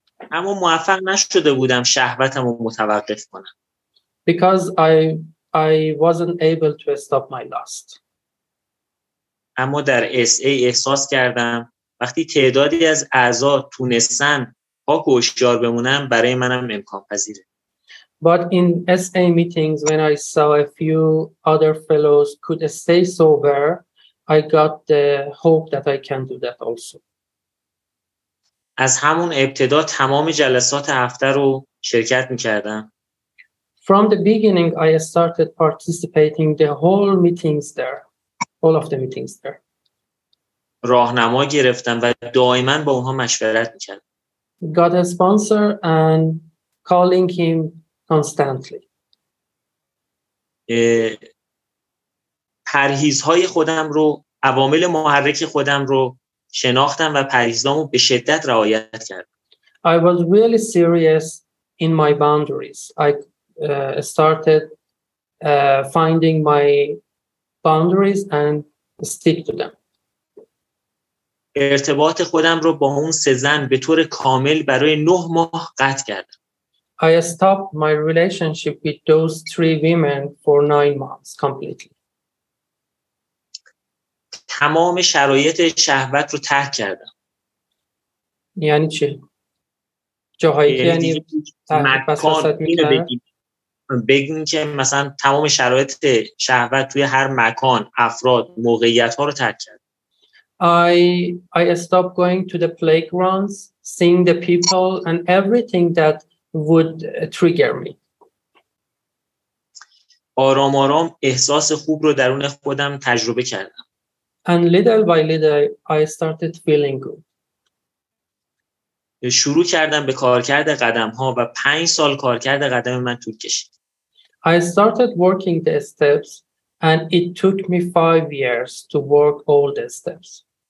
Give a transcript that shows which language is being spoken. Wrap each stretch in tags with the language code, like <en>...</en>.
<fa>اما موفق نشده بودم شهوتمو متوقف کنم.</fa> <en>Because I wasn't able to stop my lust.</en> <fa>اما در SA احساس کردم وقتی تعدادی از اعضا تونستن پاک و هوشیار بمونم برای منم امکان پذیره.</fa> <en>But in SA meetings when I saw a few other fellows could stay sober, I got the hope that I can do that also.</en> <fa>از همون ابتدا تمام جلسات هفته رو شرکت می‌کردم.</fa> <en>From the beginning I started participating the whole meetings there. All of the meetings there.</en> <fa>راهنما گرفتم و دائما با اونها مشورت می‌کردم.</fa> <en>Got a sponsor and calling him constantly.</en> <fa>پرهیزهای خودم رو، عوامل محرک خودم رو شناختم و پرهیزامو به شدت رعایت کردم.</fa> <en>I was really serious in my boundaries. I started finding my boundaries and stick to them.</en> <fa>ارتباط خودم رو با اون سه زن به طور کامل برای 9 ماه قطع کردم.</fa> <en>I stopped my relationship with those 3 women for 9 months completely.</en> <fa>تمام شرایط شهوت رو ترک کردم. یعنی چی؟ جاهایی که یعنی مکان بگیم که مثلا تمام شرایط شهوت توی هر مکان، افراد، موقعیت‌ها رو ترک کردم.</fa> <en>I stopped going to the playgrounds, seeing the people and everything that would trigger me.</en> <fa>آرام آرام احساس خوب رو درون خودم تجربه کردم.</fa> <en>And little by little I started feeling good.</en> <fa>شروع کردم به کارکرد قدم‌ها و 5 سال کارکرد قدم من طول کشید.</fa> <en>I started working the steps and it took me 5 years to work all the steps.</en>